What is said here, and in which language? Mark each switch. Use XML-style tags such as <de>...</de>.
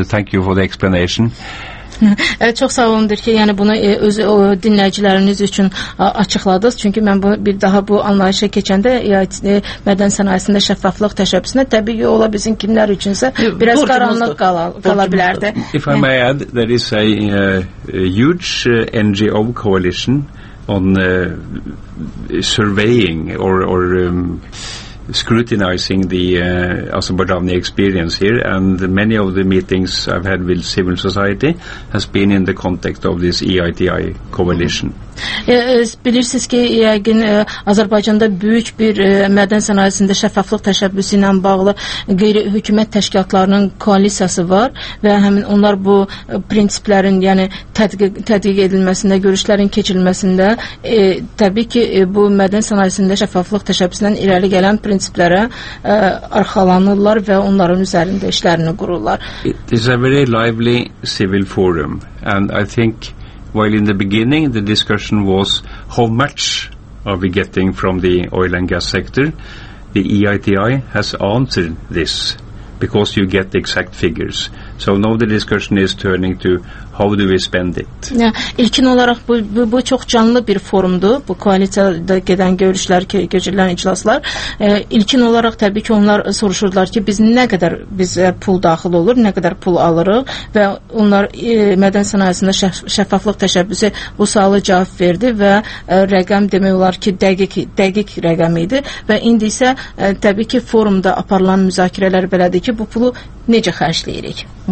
<en>Thank you for the explanation.</en> <az>Çox sağ olundur ki, yəni bunu özü dinləyiciləriniz üçün açıqladınız. Çünki mən bunu bir daha bu anlayışa keçəndə mədən sənayesində şəffaflıq təşəbbüsünə təbii ola bizim kimlər üçünsə biraz qaranlıq qala bilərdi.</az> <en>If I may add, there is a huge NGO coalition on surveying scrutinizing the Azerbaijani experience here, and many of the meetings I've had with civil society has been in the context of this EITI coalition.</en> <az>Bilirsiniz ki, yəqin Azərbaycanda böyük bir mədən sənayesində şəffaflıq təşəbbüsü ilə bağlı qeyri-hökumət təşkilatlarının koalisiyası var və həmin onlar bu prinsiplərin, yəni tədqiq edilməsində, görüşlərin keçirilməsində təbii ki, bu mədən sənayesində şəffaflıq təşəbbüsündən irəli gələn prinsiplərə arxalanırlar və onların üzərində işlərini qururlar.</az> <en>It is a very lively civil forum, and I think while in the beginning the discussion was how much are we getting from the oil and gas sector, the EITI has answered this because you get the exact figures. So now the discussion is turning to how do we spend it?</en> <az>İlkin olaraq bu çox canlı bir forumdur. Bu koalisiyada gedən görüşlər, keçirilən iclaslar. İlkin olaraq təbii ki, onlar soruşurlar ki, biz nə qədər bizə pul daxil olur, nə qədər pul alırıq və onlar mədən sənayesində şəffaflıq təşəbbüsü bu sualı cavab verdi və rəqəm demək olar ki, dəqiq rəqəm idi və indi isə təbii ki, forumda aparılan müzakirələr belədir ki, bu pulu necə xərcləyirik?</az>